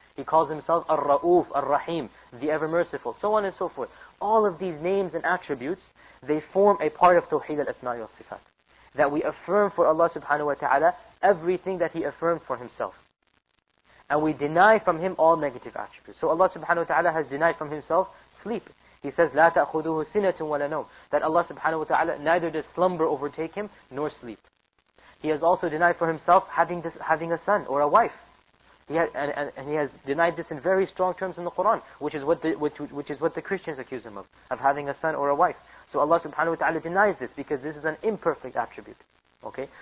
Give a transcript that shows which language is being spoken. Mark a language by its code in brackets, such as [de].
[en] He calls Himself Ar-Ra'uf, Ar-Rahim, the ever-merciful, so on and so forth. All of these names and attributes, they form a part of Tawheed Al-Asma'i Al-Sifat. That we affirm for Allah subhanahu wa ta'ala everything that He affirmed for Himself. And we deny from Him all negative attributes. So Allah subhanahu wa ta'ala has denied from Himself sleep. He says, [ar] لا تأخذه سنة ولا نوم. [en] That Allah subhanahu wa ta'ala, neither does slumber overtake Him, nor sleep. He has also denied for Himself having a son or a wife. He has denied this in very strong terms in the Quran, which is what the Christians accuse him of having a son or a wife. So Allah subhanahu wa ta'ala denies this because this is an imperfect attribute. Okay?